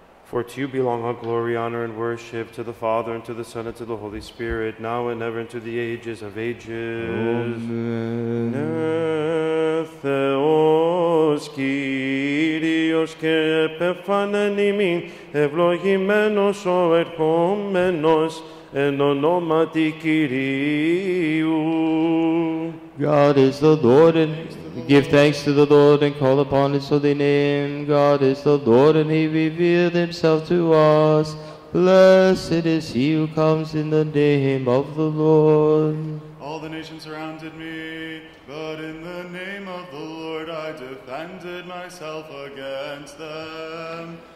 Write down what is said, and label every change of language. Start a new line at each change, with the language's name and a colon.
English: For to you belong all glory, honor, and worship, to the Father, and to the Son, and to the Holy Spirit, now and ever, and to the ages of ages. Amen.
Greek: Ne Theos Kyrios και επεφάνεν ημίν, ευλογημένος ο ερχόμενος, εν ονόματι Κυρίου.
English: God is the Lord, and give thanks to the Lord, and call upon His holy name. God is the Lord, and He revealed Himself to us. Blessed is He who comes in the name of the Lord. All the nations surrounded me, but in the name of the Lord I defended myself against them.